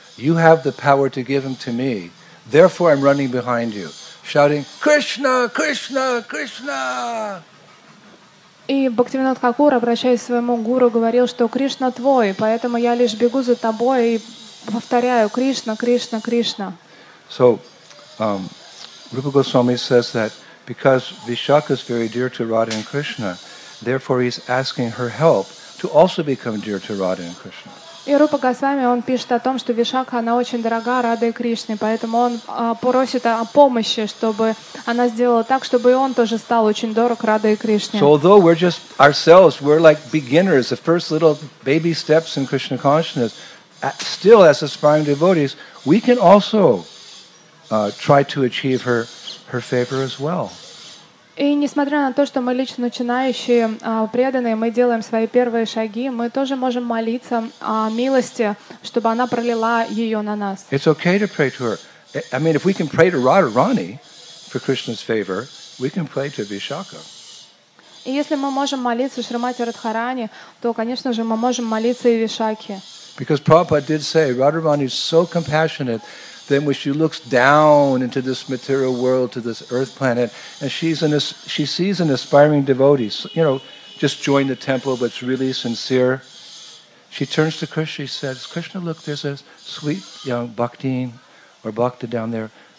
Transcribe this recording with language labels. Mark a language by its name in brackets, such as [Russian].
[English] You have the power to give him to me. Therefore, I'm running behind you, shouting, Krishna, Krishna, Krishna! [Russian] И Бхактивинод Хакур, обращаясь к своему гуру, говорил, что Кришна твой, поэтому я лишь бегу за тобой и повторяю, Кришна, Кришна, Кришна. [English] So, Rupa Goswami says that because Vishakha is very dear to Radha and Krishna, therefore he's asking her help to also become dear to Radha and Krishna. [Russian] И Рупа Госвами, он пишет о том, что Вишакха, она очень дорога Радхе Кришне, поэтому он просит о помощи, чтобы она сделала так, чтобы и он тоже стал очень дорог Радхе Кришне. [English] So although we're just ourselves, we're like beginners, the first little baby steps in Krishna consciousness, still as aspiring devotees, we can also try to achieve her favor as well. [Russian] И несмотря на то, что мы лично начинающие преданные, мы делаем свои первые шаги, мы тоже можем молиться о милости, чтобы она пролила ее на нас. [English] It's okay to pray to her. I mean, if we can pray to Radharani for Krishna's favor, we can pray to Vishakha. [Russian] И если мы можем молиться Шримати Радхарани, то, конечно же, мы можем молиться и Вишакхе. [English] Because Prabhupada did say, Radharani is so compassionate, then when she looks down into this material world, to this earth planet, and she sees an aspiring devotee, you know, just joined the temple, but it's really sincere. She turns to Krishna, she says, Krishna, look, there's a sweet young bhaktin or bhakta down there.